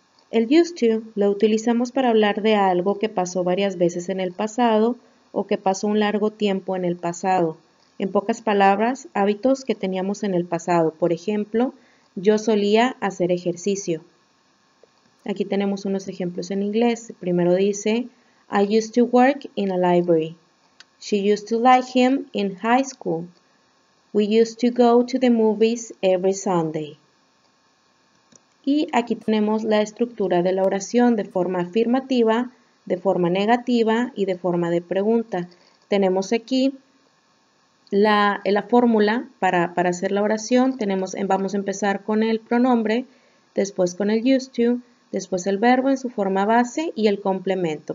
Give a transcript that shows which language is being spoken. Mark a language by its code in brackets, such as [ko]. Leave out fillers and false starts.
[es] El used to lo utilizamos para hablar de algo que pasó varias veces en el pasado o que pasó un largo tiempo en el pasado. En pocas palabras, hábitos que teníamos en el pasado. Por ejemplo, yo solía hacer ejercicio. Aquí tenemos unos ejemplos en inglés. El primero dice, [en] I used to work in a library. She used to like him in high school. We used to go to the movies every Sunday. [es] Y aquí tenemos la estructura de la oración de forma afirmativa, de forma negativa y de forma de pregunta. Tenemos aquí la fórmula para hacer la oración. Vamos a empezar con el pronombre, después con el used to, después el verbo en su forma base y el complemento.